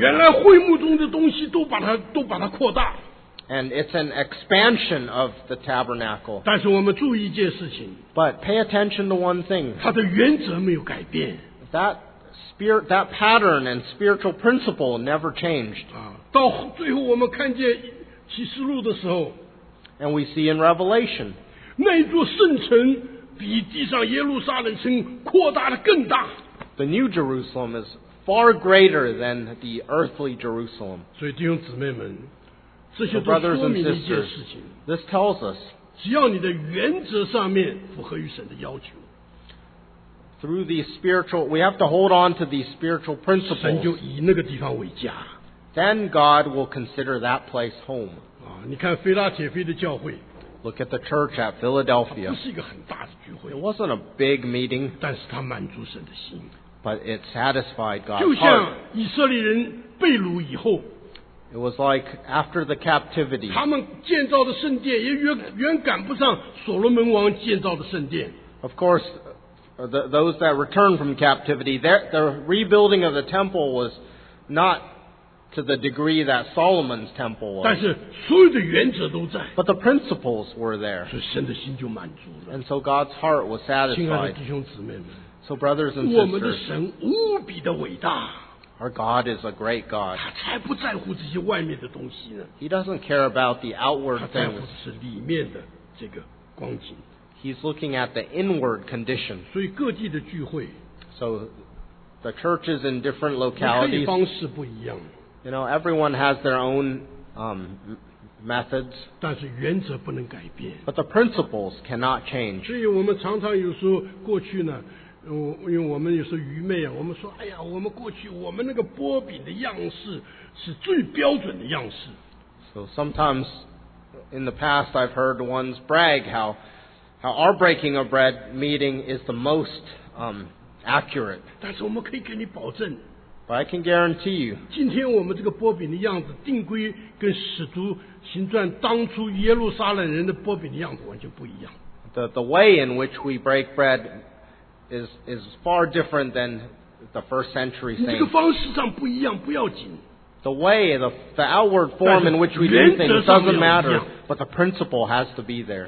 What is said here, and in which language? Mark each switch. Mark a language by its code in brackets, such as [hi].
[zh] 原来会幕中的东西都把它扩大。 [en] And it's an expansion of the tabernacle. [zh] 但是我们注意一件事情。 [en] But pay attention to one thing. [zh] 它的原则没有改变。 [en] That pattern and spiritual principle never changed. [zh] 到最后我们看见启示录的时候。 [en] And we see in Revelation. [zh] 那一座圣城比地上耶路撒冷城扩大的更大。 [en] The new Jerusalem is far greater than the earthly Jerusalem. [zh] 所以弟兄姊妹们。 [en] So brothers and sisters, this tells us, [zh] 只要你的原则上面符合于神的要求, [en] through these spiritual, we have to hold on to these spiritual principles, [zh] 神就以那个地方为家, [en] then God will consider that place home. [zh] 你看腓拉铁菲的教会, [en] look at the church at Philadelphia. [zh] 它不是一个很大的聚会, [en] it wasn't a big meeting, [zh] 但是它满足神的心, [en] but it satisfied God's heart. [zh] 就像以色列人被掳以后, [en] It was like after the captivity. [zh] 他们建造的圣殿也远赶不上所罗门王建造的圣殿。 [en] Of course, those that returned from captivity, the rebuilding of the temple was not to the degree that Solomon's temple was. [zh] 但是所有的原则都在。 [en] But the principles were there. [zh] 所以神的心就满足了。 [en] And so God's heart was satisfied. [zh] 亲爱的弟兄姊妹们。 [en] So brothers and sisters. [zh] 我们的神无比的伟大。 [en] Our God is a great God. [zh] 他才不在乎这些外面的东西呢。 [en] He doesn't care about the outward things. [zh] 他在乎的是里面的这个光景。 [en] He's looking at the inward condition. [zh] 所以各地的聚会。 [en] So the churches in different localities. [zh] 方式不一样。 [en] You know, everyone has their own methods. [zh] 但是原则不能改变。 [en] But the principles cannot change. [zh] 所以我们常常有时候过去呢因为我们有时候愚昧啊，我们说，哎呀，我们过去我们那个波饼的样式是最标准的样式。 [en] So sometimes in the past, I've heard ones brag how our breaking of bread meeting is the most accurate. [zh] 但是我们可以给你保证。 [en] But I can guarantee you. [zh] 今天我们这个波饼的样子，定规跟使徒行传当初耶路撒冷人的波饼的样子完全不一样。 [en] The way in which we break bread. Is far different than the first century saints. [zh] 你这个方式上不一样，不要紧。 [en] The way, the outward form in which we do things doesn't matter, but the principle has to be there.